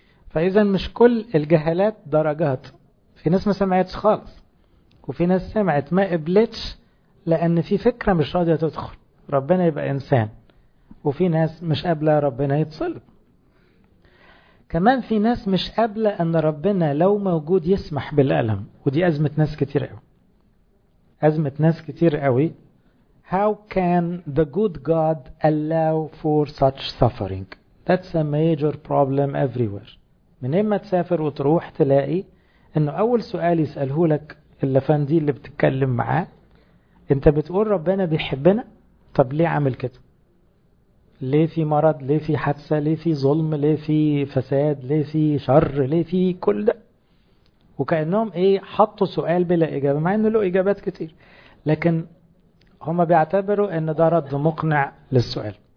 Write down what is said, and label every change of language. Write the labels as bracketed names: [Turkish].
[Arabic] فإذا مش كل الجهالات درجات، في ناس ما سمعتش خالص، وفي ناس سمعت ما قبلتش لأن في فكرة مش راضية تدخل ربنا يبقى إنسان، وفي ناس مش قابلة ربنا يتصلب. كمان في ناس مش قابلة أن ربنا لو موجود يسمح بالألم، ودي أزمة ناس كتير قوي، أزمة ناس كتير قوي. [English] How can the good God allow for such suffering? That's a major problem everywhere. [Arabic] من إما تسافر وتروح تلاقي أنه أول سؤال يسأله لك اللفندي اللي بتتكلم معاه، أنت بتقول ربنا بيحبنا؟ طب ليه عمل كده؟ ليه في مرض؟ ليه في حادثة؟ ليه في ظلم؟ ليه في فساد؟ ليه في شر؟ ليه في كل ده؟ وكأنهم إيه حطوا سؤال بلا إجابة، مع أنه له إجابات كتير، لكن هما بيعتبروا أن ده رد مقنع للسؤال.